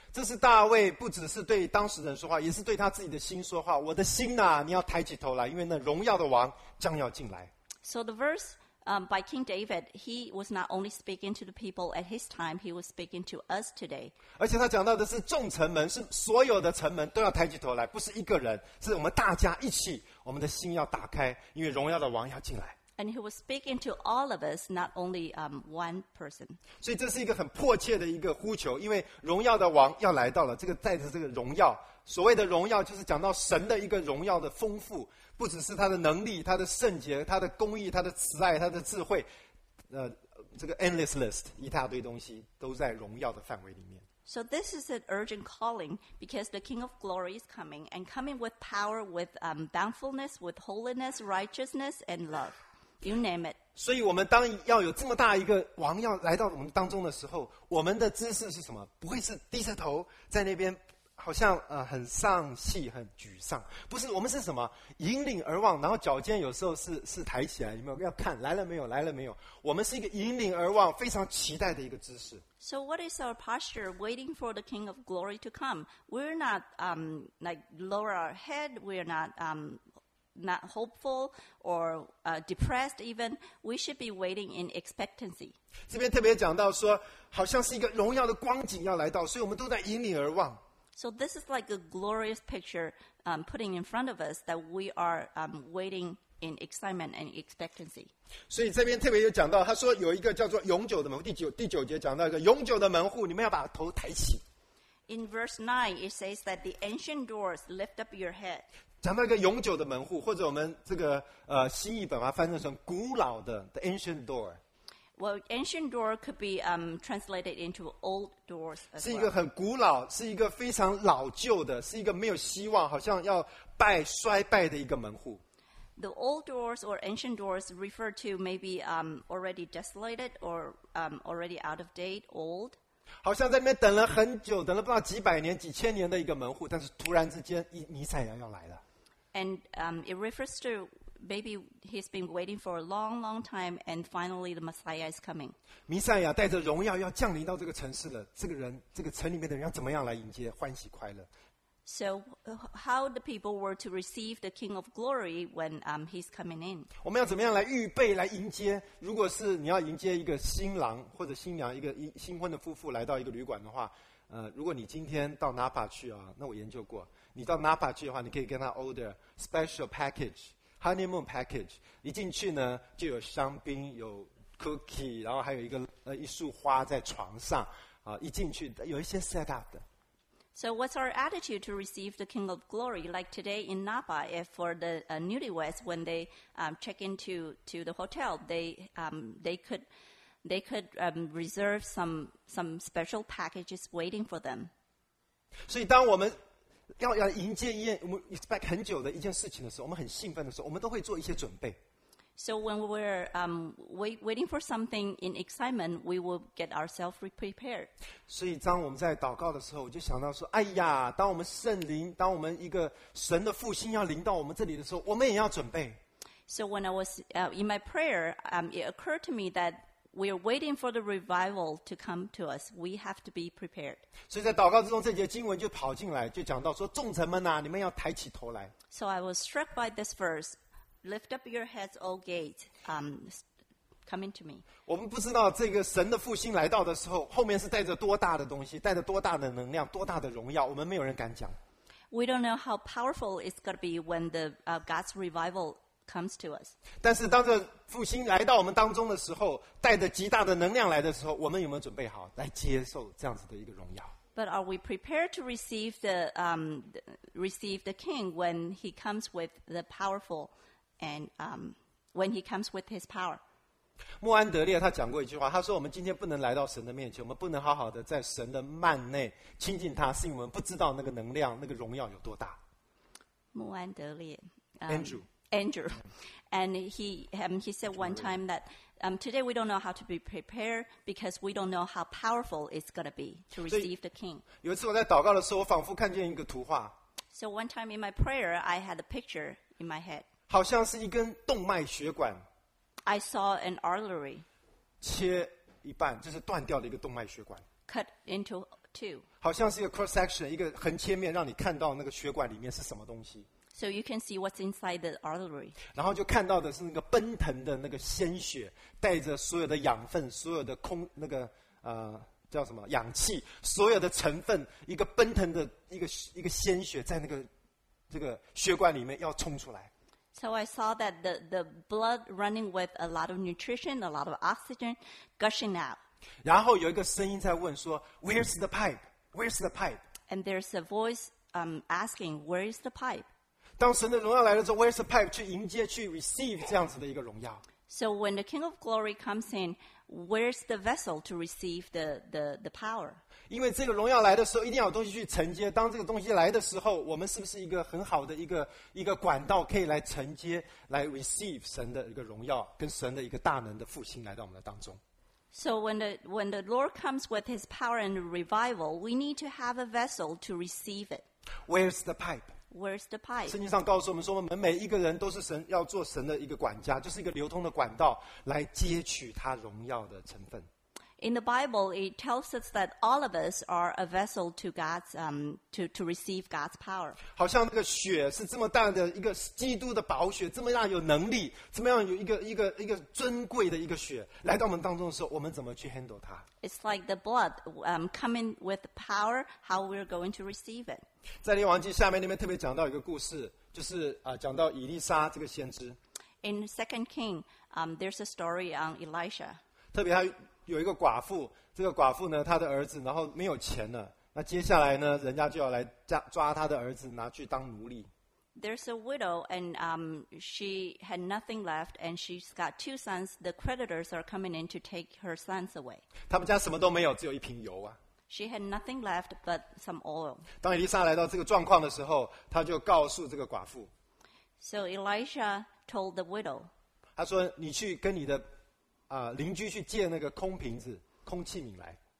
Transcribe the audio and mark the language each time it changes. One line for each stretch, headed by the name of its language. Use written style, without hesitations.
Chinese: 这是大卫不只是对当时人说话，也是对他自己的心说话。我的心啊，你要抬起头来，因为那荣耀的王将要进来。
English: So the verse, by King David, he was not only speaking to the people at his time, he was speaking to us today.
Chinese: 而且他讲到的是众城门，是所有的城门都要抬起头来，不是一个人，是我们大家一起，我们的心要打开，因为荣耀的王要进来。
English: And he was speaking to all of us, not only one person.
Chinese: 所以这是一个很迫切的一个呼求，因为荣耀的王要来到了。这个带着这个荣耀，所谓的荣耀就是讲到神的一个荣耀的丰富，不只是他的能力、他的圣洁、他的公义、他的慈爱、他的智慧，这个
English: endless list
Chinese: 一大堆东西都在荣耀的范围里面。
English: So this is an urgent calling because the King of Glory is coming and coming with power, with bountifulness, with holiness, righteousness, and love. You name it.
Chinese: 所以我们当要有这么大一个王要来到我们当中的时候，我们的姿势是什么？不会是低着头在那边，好像很丧气、很沮丧。不是，我们是什么？引领而望，然后脚尖有时候是抬起来，有没有？要看来了没有？来了没有？我们是一个引领而望、非常期待的一个姿势。
English: So what is our posture waiting for the King of Glory to come? We're not like lower our head. We're not not hopeful or depressed even, we should be waiting in expectancy.
Chinese: 这边特别讲到说，好像是一个荣耀的光景要来到，所以我们都在引领而望。
English: So this is like a glorious picture putting in front of us that we are waiting in excitement and expectancy.
Chinese: 所以这边特别有讲到，他说有一个叫做永久的门户，第九节讲到一个永久的门户，你们要把头抬起。
English: In verse 9, it says that the ancient doors lift up your head.
Chinese: 讲到一个永久的门户，或者我们这个新译本啊，翻译成古老的
English: the ancient door。 Well, ancient door could be translated into old doors.
Chinese: 是一个很古老，是一个非常老旧的，是一个没有希望，好像要败衰败的一个门户。
English: The old doors or ancient doors refer to maybe already desolated or already out of date, old.
Chinese: 好像在那边等了很久，等了不知道几百年、几千年的一个门户，但是突然之间，弥赛亚要来了。
English: And it refers to maybe he's been waiting for a long, long time, and finally the Messiah is coming.
Chinese: 弥赛亚带着荣耀要降临到这个城市了。这个人，这个城里面的人要怎么样来迎接欢喜快乐
English: ？So how the people were to receive the King of Glory when he's coming in?
Chinese: 我们要怎么样来预备来迎接？如果是你要迎接一个新郎或者新娘，一个新婚的夫妇来到一个旅馆的话，如果你今天到 Napa 去啊，那我研究过，你到 Napa 去的话，你可以跟他
English: order special package honeymoon package。
Chinese: 一进去呢，就有香槟，有 cookie， 然后还有一个一束花在床上啊。一进去有一些
English: set up
Chinese: 的。
English: So what's our attitude to receive the King of Glory? Like today in Napa, if for the newlyweds, when they check into to the hotel, they could reserve some special packages waiting for them.
Chinese: 所以当我们要迎接一件我们
English: expect
Chinese: 很久的一件事情的时候，我们很兴奋的时候，我们都会做一些准备。
English: So when we're waiting for something in excitement, we will get ourselves prepared.
Chinese: 所以当我们在祷告的时候，我就想到说，哎呀，当我们圣灵，当我们一个神的复兴要临到我们这里的时候，我们也要准备。
English: So when I was in my prayer, it occurred to me that we are waiting for the revival to come to us. We have to be prepared.
Chinese: 所以在祷告之中，这节经文就跑进来，就讲到说，众城门啊，你们要抬起头来。
English: So I was struck by this verse. Lift up your heads, O gate, come into me.
Chinese: 我们不知道这个神的复兴来到的时候，后面是带着多大的东西，带着多大的能量，多大的荣耀，我们没有人敢讲。
English: We don't know how powerful it's going to be when the God's revival comes to us.
Chinese: 但是当这复兴来到我们当中的时候，带着极大的能量来的时候，我们有没有准备好来接受这样子的一个荣耀？
English: But are we prepared to receive the King when He comes with the powerful? And when he comes with his power.
Chinese: 穆安德烈他讲过一句话，他说我们今天不能来到神的面前，我们不能好好的在神的幔内亲近他，是因为我们不知道那个能量那个荣耀有多大。穆安德烈、
English: Andrew and he said one time that today we don't know how to be prepared because we don't know how powerful it's going to be to receive the king.
Chinese: 有一次我在祷告的时候，我仿佛看见一个图画。
English: So one time in my prayer I had a picture in my head.
Chinese: 好像是一根动脉血管。
English: I saw an artery.
Chinese: 切一半，就是断掉的一个动脉血管。
English: Cut into two.
Chinese: 好像是一个
English: cross section，
Chinese: 一个横切面，让你看到那个血管里面是什么东西。
English: So you can see what's inside the artery.
Chinese: 然后就看到的是那个奔腾的那个鲜血，带着所有的养分，所有的空那个叫什么氧气，所有的成分，一个奔腾的一个鲜血在那个这个血管里面要冲出来。
English: So I saw that the blood running with a lot of nutrition, a lot of oxygen gushing out.
Chinese: 然后有一个声音在问说
English: Where's the pipe? Where's the pipe? And there's a voice asking, Where is the pipe?
Chinese: 当神的荣耀来了之后
English: Where's the pipe?
Chinese: 去迎接去
English: receive
Chinese: 这样子的一个荣耀。
English: So when the King of Glory comes in, Where's the vessel to receive the power?
Chinese: 因为这个荣耀来的时候一定要有东西去承接，当这个东西来的时候，我们是不是一个很好的一个管道可以来承接，来
English: receive
Chinese: 神的一个荣耀跟神的一个大能的复兴来到我们的当中。
English: So when the Lord comes with his power and revival, we need to have a vessel to receive it. Where's the pipe? Where's the pipe?
Chinese: 圣经上告诉我们说，我们每一个人都是神要做神的一个管家，就是一个流通的管道来接取他荣耀的成分。
English: In the Bible, it tells us that all of us are a vessel to God's to receive God's power.
Chinese: 好像那个血是这么大的一个基督的宝血，这么样有能力，这么样有一个尊贵的一个血来到我们当中的时候，我们怎么去
English: handle
Chinese: 它
English: ？It's like the blood coming with power. How we're going to receive it?
Chinese: 在列王记下面那边特别讲到一个故事，就是讲到以利沙这个先知。
English: In 2 Kings, there's a story on Elisha.
Chinese: 特别有一个寡妇，这个寡妇呢，她的儿子然后没有钱了，那接下来呢，人家就要来抓她的儿子拿去当奴隶。
English: There's a widow and she had nothing left and she's got two sons. The creditors are coming in to take her sons away.
Chinese: 他们家什么都没有，只有一瓶油啊。
English: She had nothing left but some oil.
Chinese: 当以利沙来到这个状况的时候，他就告诉这个寡妇。
English: So Elisha told the widow.
Chinese: 他说：“你去跟你的。” 邻居去借那个空瓶子空器皿来。